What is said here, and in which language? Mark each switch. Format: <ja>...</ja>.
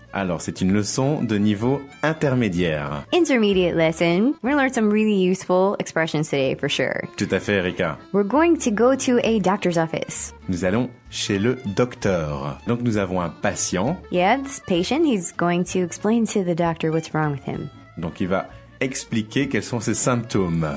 <fr>Alors, c'est une leçon de niveau intermédiaire.</fr> <en>Intermediate lesson. We're going to learn some really useful expressions today, for sure.</en> <fr>Tout à fait, Erika.</fr> <en>We're going to go to a doctor's office.</en> <fr>Nous allons chez le docteur. Donc, nous avons un patient.</fr> <en>Yeah, this patient, he's going to explain to the doctor what's wrong with him.</en> <fr>Donc, il va expliquer quels sont ses symptômes.</fr>